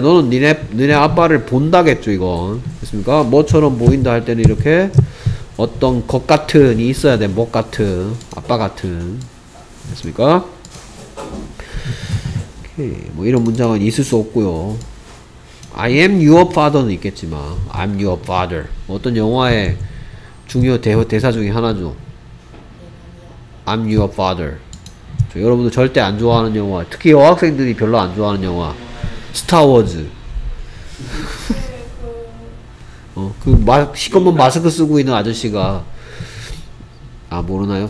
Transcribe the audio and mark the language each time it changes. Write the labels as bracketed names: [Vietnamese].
[Korean] 너는 너네 아빠를 본다겠죠, 이건. 됐습니까? 뭐처럼 보인다 할 때는 이렇게 어떤 것 같은 있어야 돼. 뭐 같은, 아빠 같은. 됐습니까? 오케이. 뭐 이런 문장은 있을 수 없고요. [English] I am your father는 [Korean] 있겠지만 [English] I'm your father. [Korean] 어떤 영화의 중요 대사 중에 하나죠. [English] I'm your father. [Korean] 저 여러분들 절대 안 좋아하는 영화. 특히 여학생들이 별로 안 좋아하는 영화. 스타워즈. 시커먼 마스크 쓰고 있는 아저씨가 아 모르나요?